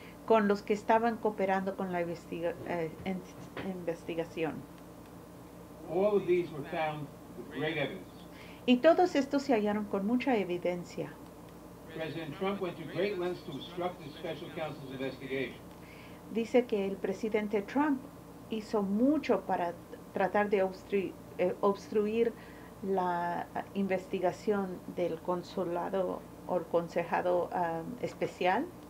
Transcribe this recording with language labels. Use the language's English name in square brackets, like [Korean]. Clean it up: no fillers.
[Spanish] Con los que estaban cooperando con la investigación. [English] All of these were found with great evidence. [Spanish] Y todos estos se hallaron con mucha evidencia. [English] President Trump went to great lengths to obstruct the special counsel's investigation. [Spanish] Dice que el presidente Trump hizo mucho para tratar de obstruir la investigación del consulado o el concejado especial.